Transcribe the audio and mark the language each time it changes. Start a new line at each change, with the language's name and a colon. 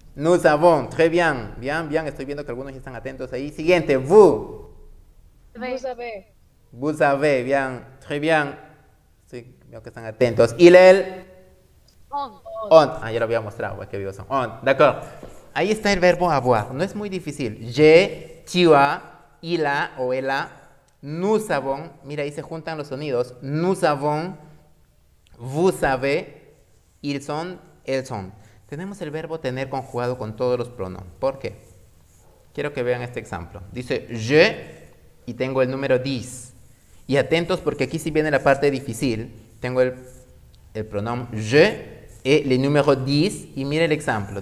French: Nous avons. Très bien. Bien, bien.
Spanish: Estoy viendo que algunos ya están atentos ahí. Siguiente. Vous.
French: Vous avez. Vous avez. Bien. Très bien.
Spanish: Sí, veo que están atentos. Y él. On. On. Ah, ya lo había mostrado, qué vivo son.
French: On. D'accord.
Spanish: Ahí está el verbo avoir. No es muy difícil.
French: Je, tu as, il a
Spanish: o ella,
French: nous avons.
Spanish: Mira, ahí se juntan los sonidos.
French: Nous avons, vous savez, ils sont, elles sont.
Spanish: Tenemos el verbo tener conjugado con todos los pronombres. ¿Por qué? Quiero que vean este ejemplo. Dice je y tengo el número 10. Y atentos porque aquí sí viene la parte difícil. Tengo el pronombre je, el número 10, y mira el ejemplo.